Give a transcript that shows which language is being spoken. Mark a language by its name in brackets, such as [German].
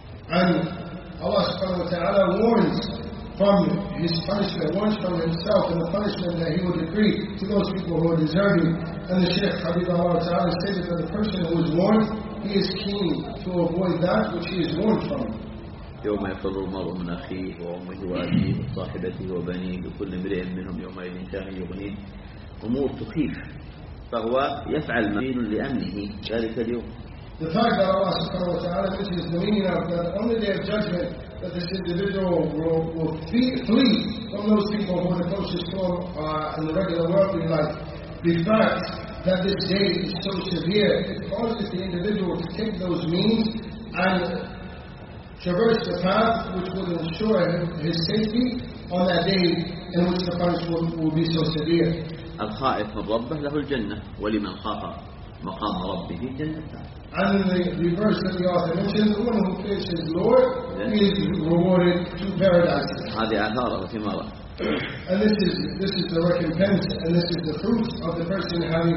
[English] And Allah subhanahu wa ta'ala warns from his punishment, warns from himself and the punishment that he will decree to those people who are deserving. And the Shaykh Habibullah ta'ala stated that the person who is warned, he is keen to avoid that which he is warned from. [Arabic] يوم يفر المرء من أخيه وأمه وأبيه وصاحبته وبنيه لكل امرئ منهم يومئذ شأن يغنيه أمور تخيف فهو يفعل ما يريد لأمنه ذلك اليوم. [English] The fact that Allah subhanahu wa ta'ala mentions the meaning of that on the day of judgment that this individual will flee from those people who are the closest to him in the regular worldly life. The fact that this day is so severe, it causes the individual to take those means and traverse the path which will ensure his safety on that day in which the punishment will be so severe. [Arabic] الخائف من ربه له الجنة ولمن خاف مقام ربه جنة. [English] And in the verse that the author mentioned, the one who fears his Lord, he is rewarded to paradise. [Arabic] هذه آثار وثمار. [English] And this is the recompense, and this is the fruit of the person having